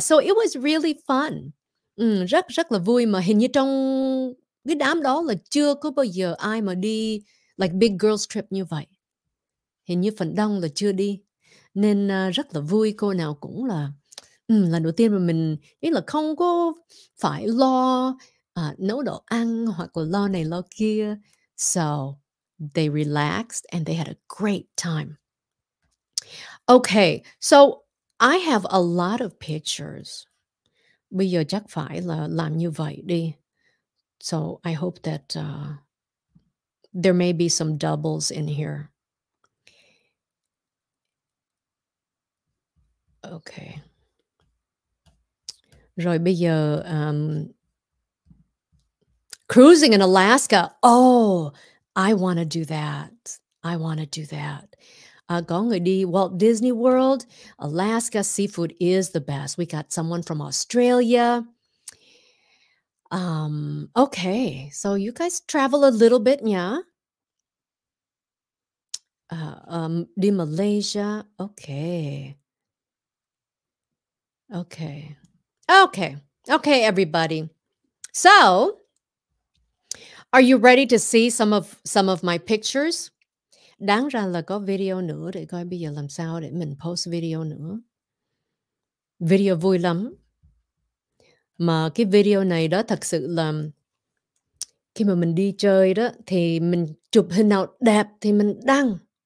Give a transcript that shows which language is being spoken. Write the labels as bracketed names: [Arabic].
[English] So it was really fun. [Vietnamese] Rất rất là vui, mà hình như trong cái đám đó là chưa có bao giờ ai mà đi [English] like big girls trip [Vietnamese] như vậy. Hình như phần đông là chưa đi. Nên rất là vui, cô nào cũng là lần đầu tiên mà mình ý là không có phải lo nấu đồ ăn hoặc là lo này lo kia. [English] So they relaxed and they had a great time. Okay, so I have a lot of pictures. [Vietnamese] Bây giờ chắc phải là làm như vậy đi. [English] So I hope that there may be some doubles in here. Okay. [Vietnamese] Rồi bây giờ, [English] cruising in Alaska. Oh, I want to do that. I want to do that. [Vietnamese] Có người đi Walt Disney World. [English] Alaska seafood is the best. We got someone from Australia. Okay, so you guys travel a little bit, yeah? [Vietnamese] Đi Malaysia. Okay. [English] Okay. Okay. Okay, everybody. So, are you ready to see some of my pictures? [Vietnamese] Đáng ra là có video nữa để coi bây giờ làm sao để mình post video nữa. Video vui lắm. Mà cái video này đó thật sự là khi mà mình đi chơi đó thì mình chụp hình nào đẹp thì mình đăng.